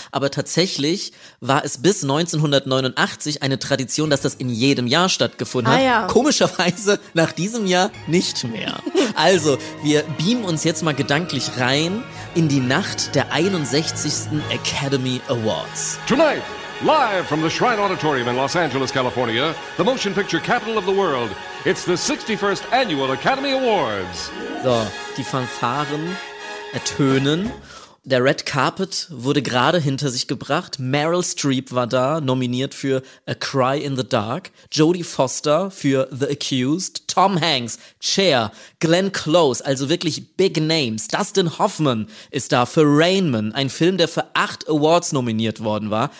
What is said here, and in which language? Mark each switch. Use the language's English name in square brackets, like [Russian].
[German] Aber tatsächlich war es bis 1989 eine Tradition, dass das in jedem Jahr stattgefunden hat. Ah, ja. Komischerweise nach diesem Jahr nicht mehr. Also, wir beamen uns jetzt mal gedanklich rein in die Nacht der 61. Academy Awards. [English] Tonight! Live from the Shrine Auditorium in Los Angeles, California, the motion picture capital of the world, it's the 61st Annual Academy Awards. [German] So, die Fanfaren ertönen. Der Red Carpet wurde gerade hinter sich gebracht. Meryl Streep war da, nominiert für A Cry in the Dark. Jodie Foster für The Accused. Tom Hanks, Cher, Glenn Close, also wirklich Big Names. Dustin Hoffman ist da für Rain Man, ein Film, der für 8 Awards nominiert worden war.